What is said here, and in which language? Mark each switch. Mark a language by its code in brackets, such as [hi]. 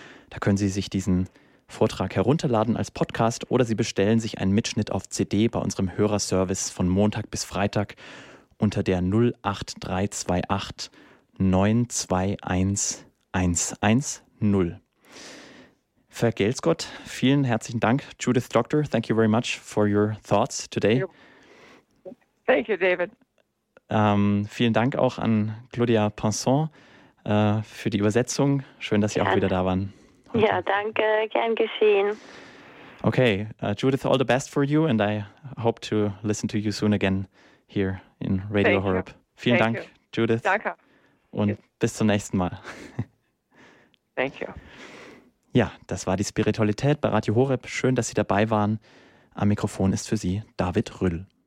[de] Da können Sie sich diesen Vortrag herunterladen als Podcast oder Sie bestellen sich einen Mitschnitt auf CD bei unserem Hörerservice von Montag bis Freitag unter der 08328 921 110. Vergelt's Gott, vielen herzlichen Dank, Judith Doctor. [en] Thank you very much for your thoughts today. Thank you, David. [de] Vielen Dank auch an Claudia Pinson für die Übersetzung. Schön, dass Sie auch wieder da waren. Ja, danke. Gern geschehen. [en] Okay, Judith, all the best for you and I hope to listen to you soon again here in Radio Horeb. [de] Vielen Dank, Judith. Danke. Und bis zum nächsten Mal. [en] Thank you. [de] Ja, das war die Spiritualität bei Radio Horeb. Schön, dass Sie dabei waren. Am Mikrofon ist für Sie David Rüll.